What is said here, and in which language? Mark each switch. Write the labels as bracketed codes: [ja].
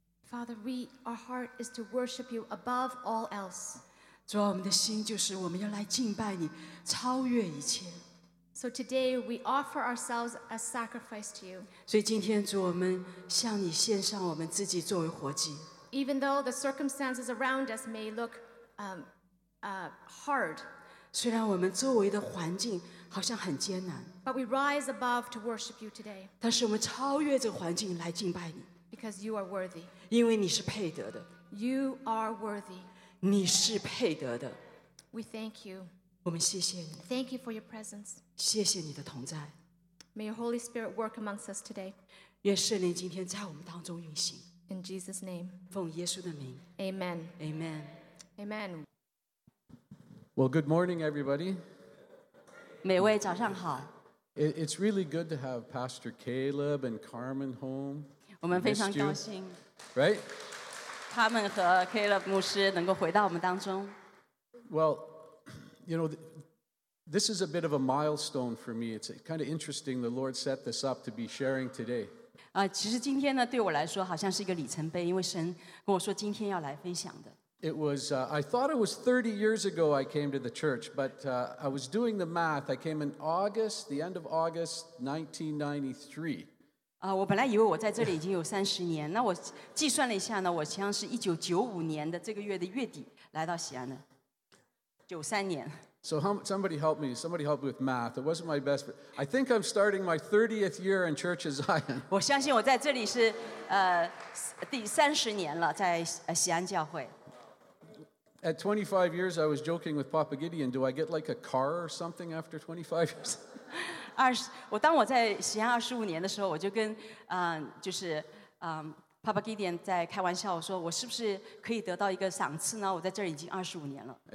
[en] Father, we, our heart is to worship you above all else. [zh] 主啊，我们的心就是我们要来敬拜你，超越一切。 [en] So today we offer ourselves as sacrifice to you. [zh] 所以今天主，我们向你献上我们自己作为活祭。 [en] Even though the circumstances around us may look hard. [zh] 虽然我们周围的环境好像很艰难。 [en] But we rise above to worship you today. [zh] 但是我们超越这个环境来敬拜你。 [en] Because you are worthy. [zh] 因为你是配得的。 [en] You are worthy. [zh] 你是配得的。 [en] We thank you. [zh] 我们谢谢你。 [en] Thank you for your presence. [zh] 谢谢你的同在。 [en] May your Holy Spirit work amongst us today. [zh] 愿圣灵今天在我们当中运行。 [en] In Jesus' name. [zh] 奉耶稣的名。 [en] Amen. Amen. Amen. Well, good morning, everybody. [zh] 每位早上好。 [en] It's really good to have Pastor Caleb and Carmen home. [zh] 我们非常高兴 [en] ，Right？ [zh] 他们和 Caleb 牧师能够回到我们当中。 [en] Well, you know, this is a bit of a milestone for me. It's kind of interesting. The Lord set this up to be sharing today. [zh] 其实今天呢，对我来说好像是一个里程碑，因为神跟我说今天要来分享的。 [en] It was. I thought it was 30 years ago I came to the church, but I was doing the math. I came in August, the end of August, 1993. [zh] 我本来以为我在这里已经有三十年，那我计算了一下呢，我实际上是1995年的这个月的月底来到西安的，93年。 [en] So somebody help me, with math. It wasn't my best, but I think I'm starting my 30th year in Church of Zion. [zh] 我相信我在这里是第三十年了，在西安教会。 [en] At 25 years, I was joking with Papa Gideon, do I get like a car or something after 25 years? [zh] 我当我在西安25年的时候，我就跟就是Papa Gideon 在开玩笑，我说我是不是可以得到一个赏赐呢？我在这儿已经25年了。